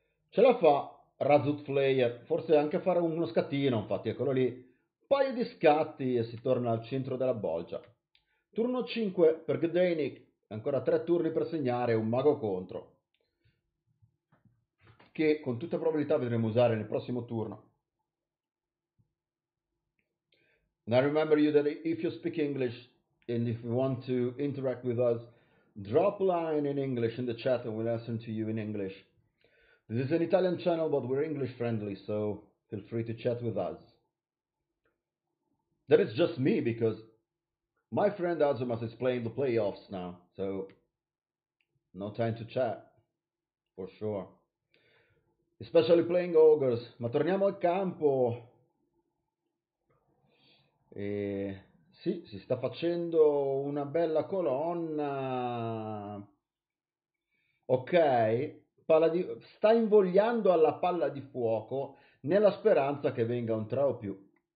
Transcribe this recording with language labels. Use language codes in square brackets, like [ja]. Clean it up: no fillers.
[it] Ce la fa Razut Flayer, forse anche a fare uno scattino, infatti eccolo lì. Un paio di scatti e si torna al centro della bolgia. Turno 5 per Gdenik, ancora 3 turni per segnare, un mago contro. Che con tutta probabilità vedremo usare nel prossimo turno. [en] Now remember you that if you speak English and if you want to interact with us, drop a line in English in the chat and we'll listen to you in English. This is an Italian channel, but we're English friendly, so feel free to chat with us. That is just me, because my friend Azumas is playing the playoffs now, so no time to chat, for sure. Especially playing ogres. [it] Ma torniamo al campo. E sì, si sta facendo una bella colonna. Ok, sta invogliando alla palla di fuoco nella speranza che venga un 3 o più.